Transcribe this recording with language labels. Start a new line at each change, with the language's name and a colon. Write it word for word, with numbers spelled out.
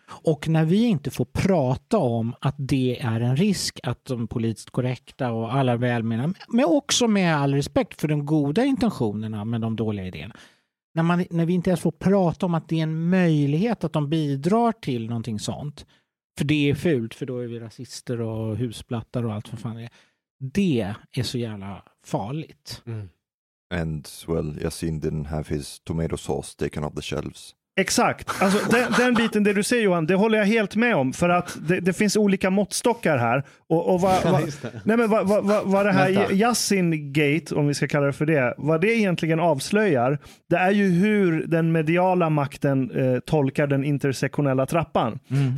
Swedish: Och när vi inte får prata om att det är en risk att de politiskt korrekta och alla välmenande, men också med all respekt för de goda intentionerna men de dåliga idéerna. När, man, när vi inte ens får prata om att det är en möjlighet att de bidrar till någonting sånt. För det är fult, för då är vi rasister och husplattar och allt för fan det är. Det är så jävla farligt. Mm.
English: And well, Yasin didn't have his tomato sauce taken off the shelves.
Swedish: Exakt. Alltså, den, den biten det du säger, Johan, det håller jag helt med om. För att det, det finns olika måttstockar här. Och, och vad, vad, nej men vad, vad, vad, vad det här Yasin-gate, om vi ska kalla det för det, vad det egentligen avslöjar, det är ju hur den mediala makten eh, tolkar den intersektionella trappan. Mm.